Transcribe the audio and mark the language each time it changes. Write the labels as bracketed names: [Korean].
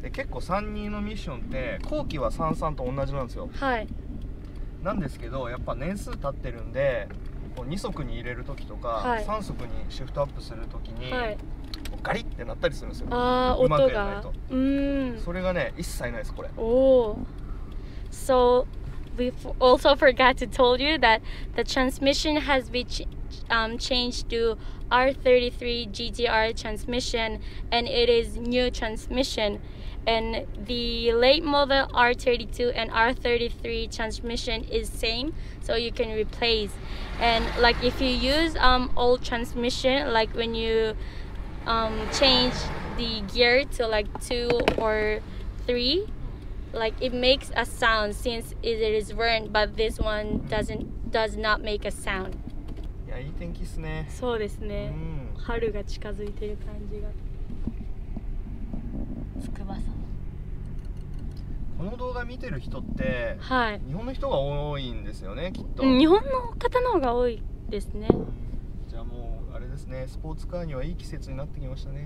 [Japanese] で結構32のミッションって後期は33と同じなんですよ、はい、なんですけどやっぱ年数経ってるんで2速に入れる時とか、はい、 3速にシフトアップする時に、はい、ガリッてなったりするんですよ。あ、うまくやらないと、うん、それがね一切ないですこれ。おー、 [English] SoWe also forgot to tell you that the transmission has been changed to R33 GTR transmission and it is new transmission. And the late model R32 and R33 transmission is same, so you can replace. And like if you use old transmission, like when you change the gear to like 2 or 3,Like it makes a sound since it is worn, but this one does not make a sound. [Japanese] いや、いい天気っすね。そうですね。春が近づいてる感じが。筑波山。この動画見てる人って、はい、日本の人が多いんですよね、きっと。日本の方の方が多いですね。じゃあもうあれですね、スポーツカーにはいい季節になってきましたね。